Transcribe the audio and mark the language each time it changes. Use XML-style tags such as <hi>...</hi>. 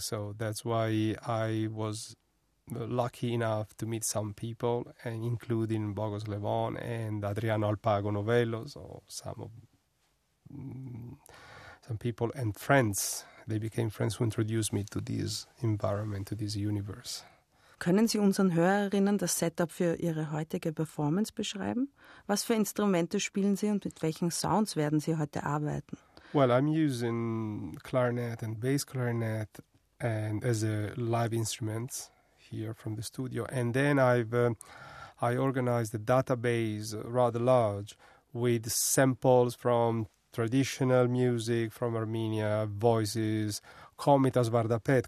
<en>So that's why I was lucky enough to meet some people, and including Bogos Levon and Adriano Alpago Novello, so some people and friends. They became friends who introduced me to this environment, to this universe.</en> <de>Können Sie unseren Hörerinnen das Setup für Ihre heutige Performance beschreiben? Was für Instrumente spielen Sie und mit welchen Sounds werden Sie heute arbeiten?</de> <en>Well, I'm using clarinet and bass clarinet and as a live instrument here from the studio. And then I organized a database rather large with samples from traditional music from Armenia, voices, Komitas Vardapet.</en>